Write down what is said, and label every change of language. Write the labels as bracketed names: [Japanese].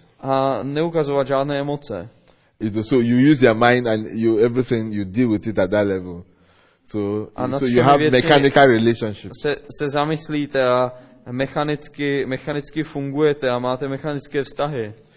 [Czech] A neukazovat žádné emoce. [English] So you use your mind and you everything you deal with it at that level. So you have mechanical relationships. [Czech] Se zamyslíte a mechanicky fungujete a máte mechanické vztahy.